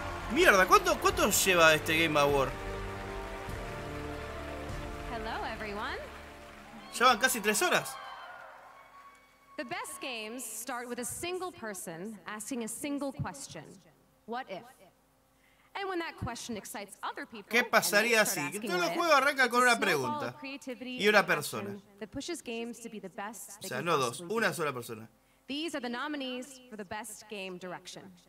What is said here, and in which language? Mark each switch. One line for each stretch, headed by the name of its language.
Spanish: Mierda, ¿cuánto lleva este Game Award?
English: Hello, everyone.
Spanish: Llevan casi tres horas.
English: The best games start with a single person asking a single question. What if? And when that question excites other people,
Spanish: ¿qué pasaría si? Todos los juegos arrancan con una pregunta y una persona. O sea, no dos, una sola persona.
English: These are the nominees for the best game direction.